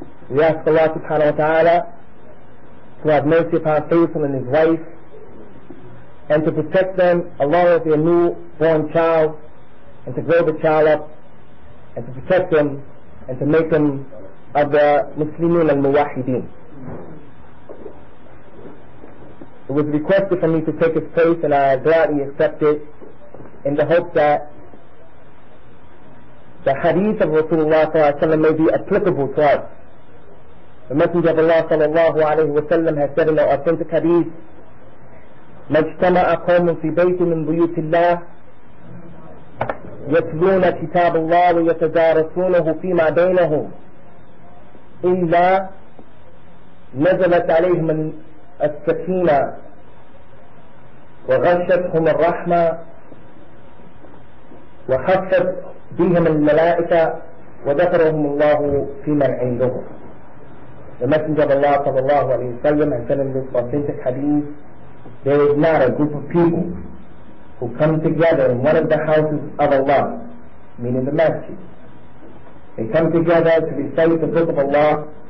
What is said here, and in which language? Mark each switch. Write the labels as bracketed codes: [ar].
[en] We ask Allah subhanahu wa ta'ala to have mercy upon Faithful and his wife, and to protect them along with their newborn child, and to grow the child up, and to protect them, and to make them of the Muslimin al-Muwahideen. It was requested for me to take his place, and I gladly accepted, in the hope that the hadith of Rasulullah sallallahu alayhi wa sallam may be applicable to us. The Messenger of Allah sallallahu alayhi wa sallam has said in the authentic hadith, [ar] مَجْتَمَعَ قَوْمٌ فِي بَيْتٍ مِنْ بُيُوتِ اللَّهِ يَتْلُونَ كِتَابَ اللَّهِ وَيَتَدَارَسُونَهُ فِي مَا بَيْنَهُمْ إِلَّا نَزَلَتْ عَلَيْهِمَ السَّكِينَةُ وَغَشَّتْهُمَ الرَّحْمَةُ وَخَفَّتْ بِهِمَ الْمَلَائِكَةُ وَذَكَرَهُمُ اللَّهُ فِي مَنْ عِنْدُهُمْ. [en] The Messenger of Allah sallallahu alayhi wa sallam has said in this authentic hadith, there is not a group of people who come together in one of the houses of Allah, meaning the masjid. They come together to recite the book of Allah,